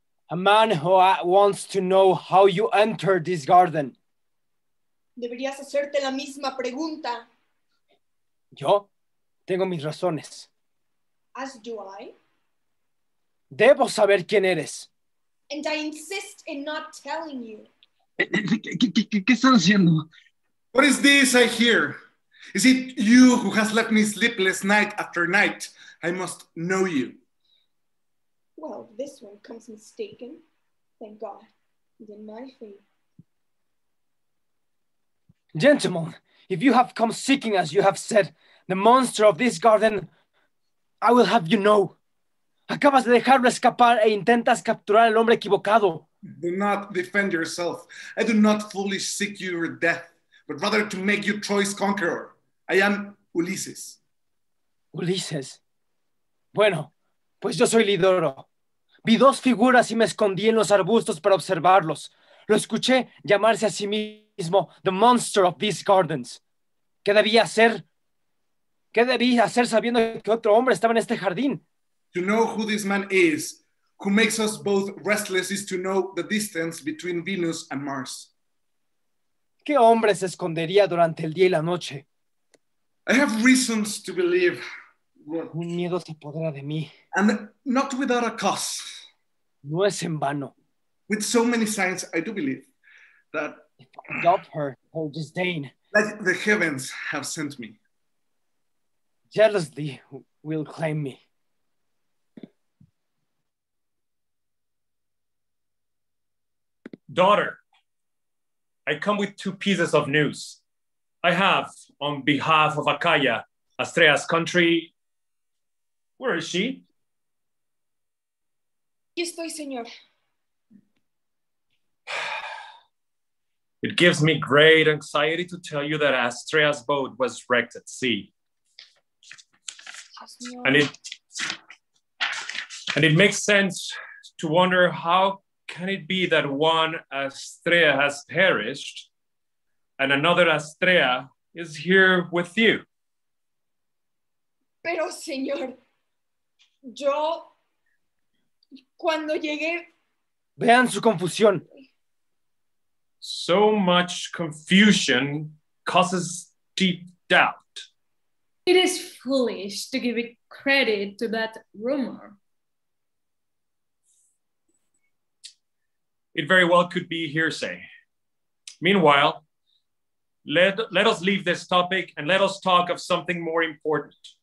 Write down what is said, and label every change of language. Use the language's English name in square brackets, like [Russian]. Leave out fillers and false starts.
[English] A man who wants to know how you entered this garden. [Spanish] Deberías hacerte la misma pregunta. Yo tengo mis razones. [English] As do I. [Spanish] Debo saber quién eres. [English] And I insist in not telling you. [Spanish] ¿Qué están haciendo? [English] What is this I hear? Is it you who has left me sleepless night after night? I must know you. Well, this one comes mistaken. Thank God. It's in my faith. Gentlemen, if you have come seeking, as you have said, the monster of this garden, I will have you know. [Spanish] Acabas de dejarlo escapar e intentas capturar al hombre equivocado. [English] Do not defend yourself. I do not fully seek your death, but rather to make you Troy's conqueror. I am Ulysses. Ulysses. [Spanish] Bueno, pues yo soy Lidoro. Vi dos figuras y me escondí en los arbustos para observarlos. Lo escuché llamarse a sí mismo [English] the monster of these gardens. [Spanish] ¿Qué debía hacer? ¿Qué debí hacer sabiendo que otro hombre estaba en este jardín? [English] To know who this man is, who makes us both restless, is to know the distance between Venus and Mars. [Spanish] ¿Qué hombre se escondería durante el día y la noche? [English] I have reasons to believe. [Spanish] Un miedo se apodera de mí. [English] And not without a cause. [Spanish] No es en vano. [English] With so many signs, I do believe that God her holds disdain. That the heavens have sent me. Jealously will claim me. Daughter, I come with two pieces of news. I have, on behalf of Achaia, Astrea's country. Where is she? [Spanish] Aquí estoy, señor. [English] It gives me great anxiety to tell you that Astrea's boat was wrecked at sea. And it makes sense to wonder how can it be that one Astrea has perished and another Astrea is here with you. [Spanish] Pero señor, yo cuando llegué... Vean su confusión. [English] So much confusion causes deep doubt. It is foolish to give it credit to that rumor. It very well could be hearsay. Meanwhile, let us leave this topic and let us talk of something more important.